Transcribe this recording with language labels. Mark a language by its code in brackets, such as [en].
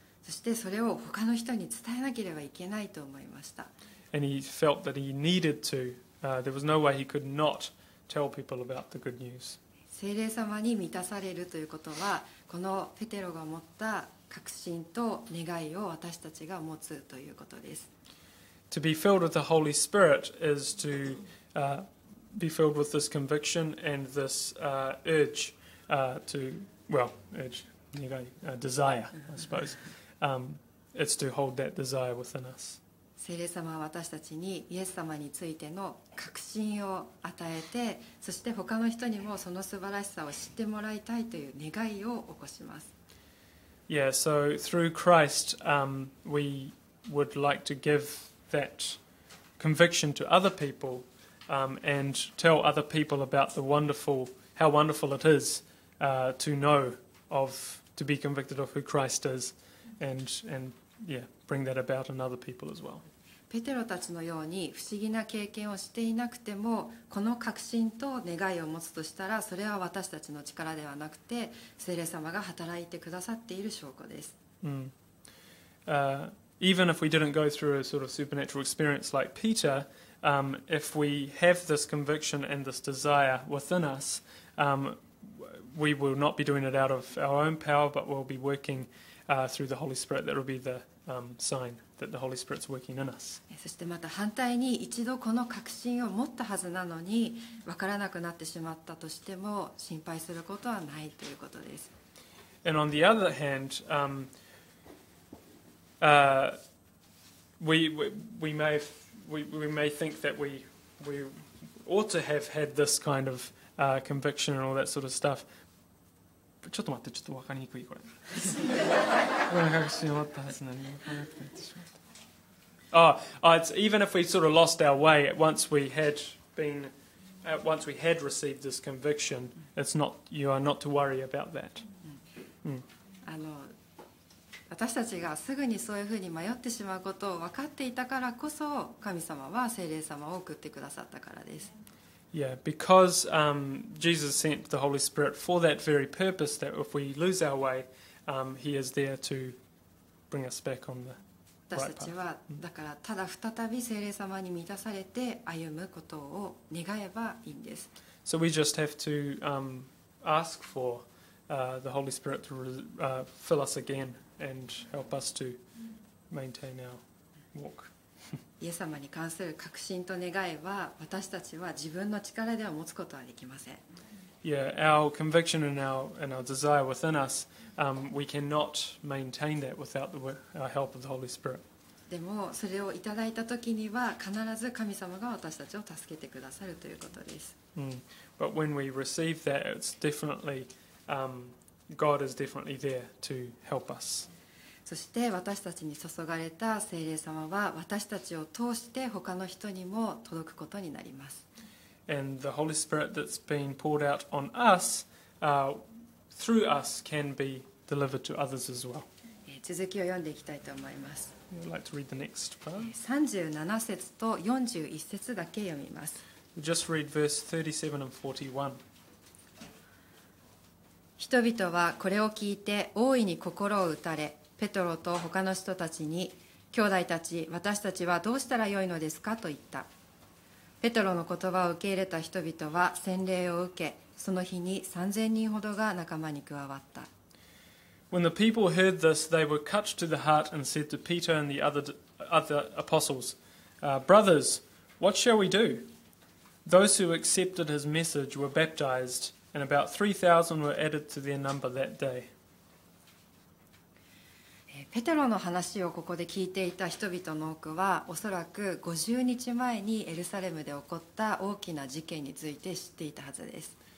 [ja] そしてそれを他の人に伝えなければいけないと思いました。 [en] And he felt that he needed to. There was no way he could not tell people about the good news. [ja] 聖霊様に満たされるということは、このペテロが持った確信と願いを私たちが持つということです。 [en] To be filled with the Holy Spirit is to be filled with this conviction and this urge to, well, urge. desire, I suppose. It's to hold that desire within us. [ja] 聖霊様は私たちにイエス様についての確信を与えて、そして他の人にもその素晴らしさを知ってもらいたいという願いを起こします。 [en] Yeah, so through Christ, we would like to give that conviction to other people, and tell other people about the wonderful, how wonderful it is, to know. Of to be convicted of who Christ is, and yeah, bring that about in other people as well. [ja] ペテロたちのように不思議な経験をしていなくても、この確信と願いを持つとしたら、それは私たちの力ではなくて、聖霊様が働いてくださっている証拠です。 [en] Even if we didn't go through a sort of supernatural experience like Peter, if we have this conviction and this desire within us, we will not be doing it out of our own power, but we'll be working through the Holy Spirit. That will be the sign that the Holy Spirit's working in us. [ja] そしてまた反対に一度この確信を持ったはずなのに分からなくなってしまったとしても心配することはないということです。 [en] And on the other hand, we may think that we ought to have had this kind of conviction and all that sort of stuff. [ja] ちょっと待って、ちょっと分かりにくいこれ。これ確信終わったはずなのに分からなくなってしまった。 [en] It's even if we sort of lost our way once we had received this conviction, it's not you are not to worry about that.、 [ja] 私たちがすぐにそういうふうに迷ってしまうことを分かっていたからこそ、神様は聖霊様を送ってくださったからです。 [en] Yeah, because Jesus sent the Holy Spirit for that very purpose, that if we lose our way, He is there to bring us back on the right path. [ja] 私たちはだからただ再び聖霊様に満たされて歩むことを願えばいいんです。 [en] So we just have to ask for the Holy Spirit to fill us again and help us to maintain our walk. [ja] イエス様に関する確信と願いは私たちは自分の力では持つことはできません。 [en] Yeah, our conviction and our desire within us, we cannot maintain that without the help of the Holy Spirit. [ja] でもそれをいただいた時には必ず神様が私たちを助けてくださるということです。 [en] But when we receive that, it's definitely, God is definitely there to help us. [ja] そして私たちに注がれた聖霊様は私たちを通して他の人にも届くことになります。 [en] And the Holy Spirit that's been poured out on us, through us can be delivered to others as well. [ja] 続きを読んでいきたいと思います。 [en] I'd like to read the next part. [ja] 37節と41節だけ読みます。 [en] Just read verse 37 and 41. [ja] 人々はこれを聞いて大いに心を打たれ、ペトロと他の人たちに、兄弟たち、私たちはどうしたらよいのですかと言った。ペトロの言葉を受け入れた人々は洗礼を受け、その日に3000人ほどが仲間に加わった。 [en] When the people heard this, they were cut to the heart and said to Peter and the other apostles, Brothers, what shall we do? Those who accepted his message were baptized. And about 3,000 were added to their number that day. [ja] ペテロの話をここで聞いていた人々の多くは、おそらく50日前にエルサレムで起こった大きな事件について知っていたはずです。